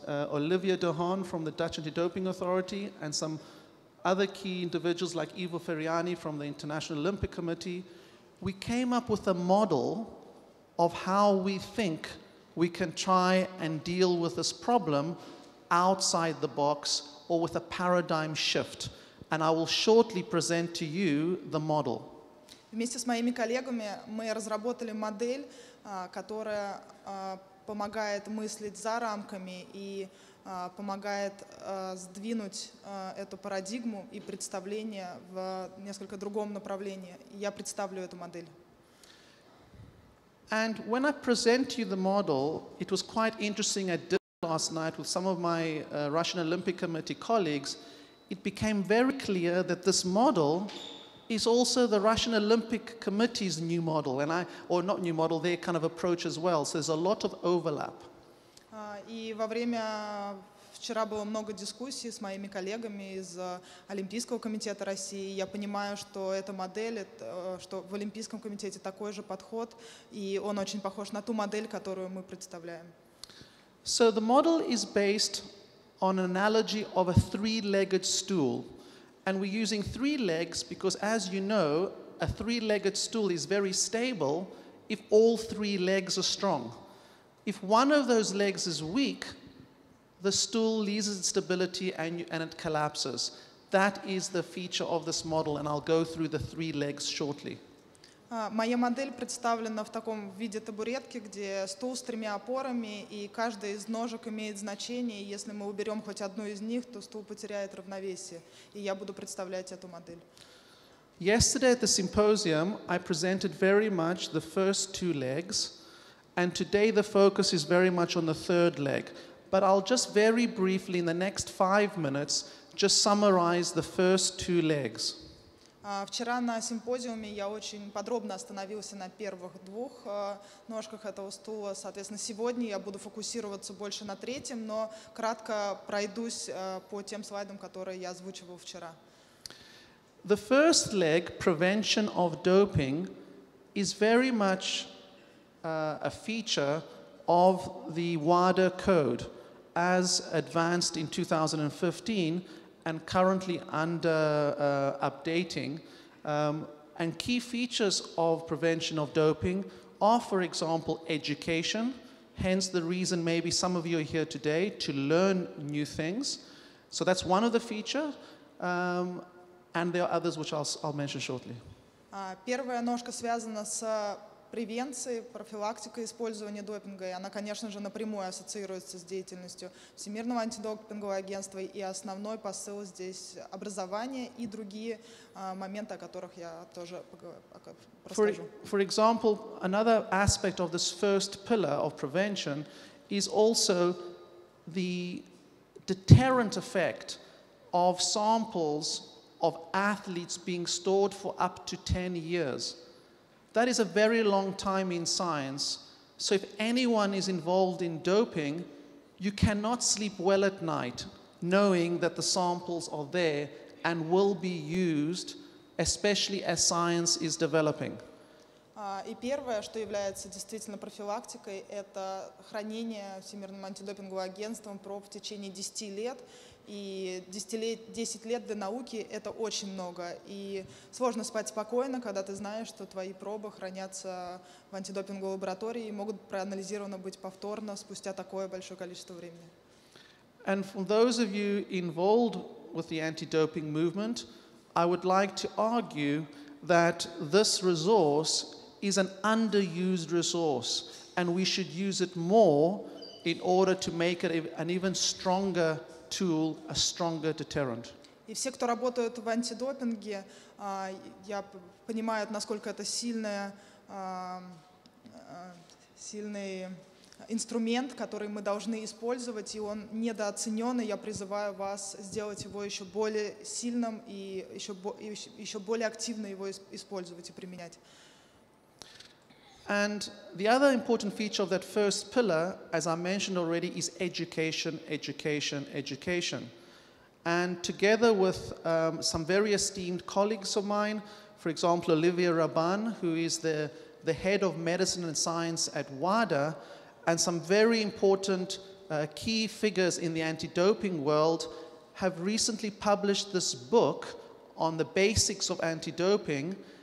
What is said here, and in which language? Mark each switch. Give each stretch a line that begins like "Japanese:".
English: Olivia Dohan from the Dutch Anti-Doping Authority, and some other key individuals like Ivo Ferriani from the International Olympic Committee, we came up with a model of how we think we can try and deal with this problem outside the box or with a paradigm shift. And I will shortly present to you the model.
Russian: Вместе с моими коллегами мы разработали модель, которая помогает мыслить за рамками и помогает сдвинуть эту парадигму и представление в несколько другом направлении. Я представлю эту модель.
English: And when I present you the model, it was quite interesting at dinner last night with some of my Russian Olympic Committee colleagues. it became very clear that this model is also the Russian Olympic Committee's new model, and their kind of approach as well. So there's a lot of overlap.
Russian: И во время вчера было много дискуссий с моими коллегами из Олимпийского комитета России. Я понимаю, что эта модель, что в Олимпийском комитете такой же подход, и он очень похож на ту модель, которую мы представляем.
English: So the model is based on an analogy of a three-legged stool. And we're using three legs because, as you know, a three-legged stool is very stable if all three legs are strong. If one of those legs is weak, the stool loses its stability and it collapses. That is the feature of this model, and I'll go through the three legs shortly.
Russian: Моя модель представлена в таком виде табуретки, где стул с тремя опорами, и каждый из ножек имеет значение. Если мы уберем хоть одну из них, то стул потеряет равновесие. И я буду представлять эту модель.
English: Yesterday at the symposium I presented very much the first two legs, and today the focus is very much on the third leg. But I'll just very briefly in the next 5 minutes just summarize the first two legs.
Russian: Вчера на симпозиуме я очень подробно остановился на первых двух ножках этого стула. Соответственно, сегодня я буду фокусироваться больше на третьем, но кратко пройдусь по тем слайдам, которые я озвучивал вчера.
English: The first leg, prevention of doping, is very much a feature of the WADA code as advanced in 2015. And currently under updating, and key features of prevention of doping are, for example, education, hence the reason maybe some of you are here today to learn new things. So that's one of the features, and there are others which I'll mention shortly.
Russian: Первая ножка связана с превенции, профилактика использования допинга, и она, конечно же, напрямую ассоциируется с деятельностью Всемирного антидопингового агентства, и основной посыл здесь – образование и другие моменты, о которых я тоже расскажу.
English: For example, another aspect of this first pillar of prevention is also the deterrent effect of samples of athletes being stored for up to 10 years. That is a very long time in science. So if anyone is involved in doping, you cannot sleep well at night knowing that the samples are there and will be used, especially as science is developing.
Russian: И первое, что является действительно профилактикой, это хранение Всемирным антидопинговым агентством проб в течение 10 лет. И 10 лет для науки – это очень много. И сложно спать спокойно, когда ты знаешь, что твои пробы хранятся в антидопинговой лаборатории и могут проанализированы быть повторно спустя такое большое количество времени.
English: And for those of you involved with the anti-doping movement, I would like to argue that this resource is an underused resource, and we should use it more in order to make it an even stronger tool, a stronger deterrent.
Russian: И все, кто работают в антидопинге, я понимаю, насколько это сильный инструмент, который мы должны использовать, и он недооценен, и я призываю вас сделать его еще более сильным и еще более активно его использовать и применять.
English: And the other important feature of that first pillar, as I mentioned already, is education, education, education. And together with some very esteemed colleagues of mine, for example, Olivia Rabban, who is the head of medicine and science at WADA, and some very important key figures in the anti-doping world, have recently published this book on the basics of anti-doping.